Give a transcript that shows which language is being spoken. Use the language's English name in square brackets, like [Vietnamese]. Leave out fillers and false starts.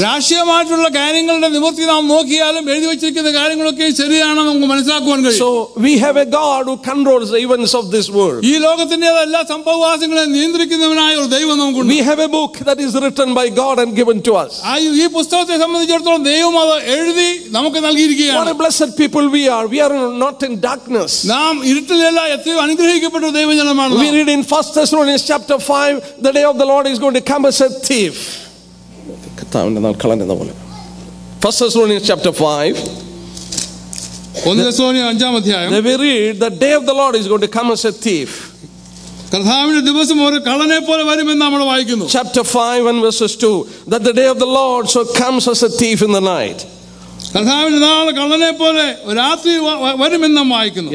[Malayalam] രാഷ്ട്രീയമായിട്ടുള്ള കാര്യങ്ങളുടെ നിവൃത്തി നാം നോക്കിയാലും എഴുതി വെച്ചിരിക്കുന്ന കാര്യങ്ങളൊക്കെ ശരിയാണെന്ന് നമുക്ക് മനസ്സിലാക്കുവാൻ കഴിയും. [English] So we have a God who controls the events of this world. [Malayalam] ഈ ലോകത്തിന്റെ എല്ലാ സംഭവവാസങ്ങളെ നിയന്ത്രിക്കുന്നവനായ ഒരു ദൈവം നമുക്കുണ്ട്. [English] We have a book that is written by God and given to us. [Malayalam] ഈ പുസ്തകത്തെ സംബന്ധിച്ചിടത്തോളം ദൈവം അത് എഴുതി നമുക്ക് നൽകിയിരിക്കുകയാണ്. [English] What a blessed people we are. We are not in darkness. [Malayalam] നാം ഇരുട്ടിലല്ല, എത്രയോ അനുഗ്രഹിക്കപ്പെട്ട ദൈവജനമാണ്. [English] We read in 1 Thessalonians chapter 5, the day of the Lord is going to come as a thief. [Malayalam] കർത്താവിന്റെ നാൾ കളഞ്ഞെന്ന പോലെ. [English] 1 Thessalonians chapter 5. [Malayalam] കൊന്തസോനിയ 5-ാം അധ്യായം. [English] We read the day of the Lord is going to come as a thief. [Malayalam] കർത്താവിന്റെ ദിവസം ഒരു കള്ളനെ പോലെ വരുമെന്ന് നമ്മൾ വായിക്കുന്നു. [English] Chapter 5 and verse 2, that the day of the Lord so comes as a thief in the night. [Malayalam] കർത്താവിന്റെ നാള് കള്ളനെ പോലെ രാത്രി വരുമെന്ന് നാം വായിക്കുന്നു.